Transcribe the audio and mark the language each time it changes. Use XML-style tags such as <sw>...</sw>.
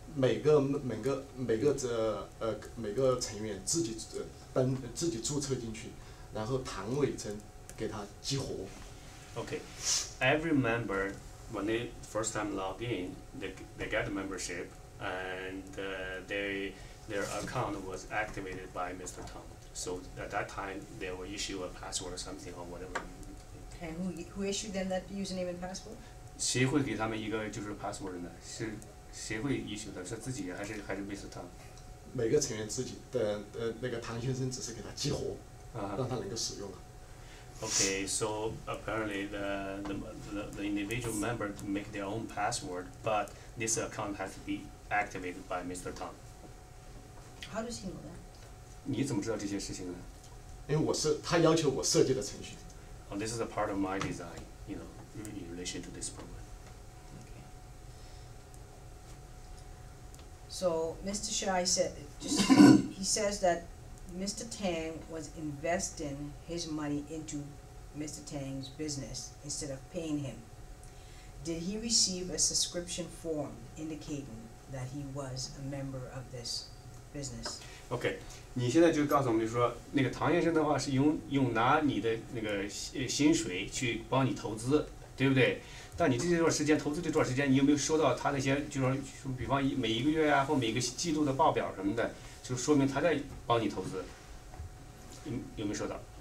<zh>每个成员自己登自己注册进去，然后唐伟成给他激活。</zh> <en>Okay, every member when they first time log in, they get the membership. And their account was activated by Mr. Tang. So at that time, they will issue a password or something or whatever. And who issued them that username and password?</en> <zh>谁会给他们一个就是 password 呢？是谁会 issue 的？是自己还是 Mr. Tang？每个成员自己的那个唐先生只是给他激活，让他能够使用了。</zh> <en>Okay, so apparently the individual member make their own password, but this account has to be activated by Mr. Tang. How does he know that?</en> <zh>你怎么知道这些事情呢？因为我是他要求我设计的程序。</zh> <en>Oh, this is a part of my design, you know, in relation to this program. Okay. So Mr. Shai said, he says that. Mr. Tang was investing his money into Mr. Tang's business instead of paying him. Did he receive a subscription form indicating that he was a member of this business?</en> <zh>Okay, 你现在就告诉我们，就说那个唐先生的话是用拿你的那个薪水去帮你投资，对不对？但你这段时间投资这段时间，你有没有收到他那些，就是说，比方每一个月啊，或每个季度的报表什么的？就说明他在帮你投资，有没有收到？</zh>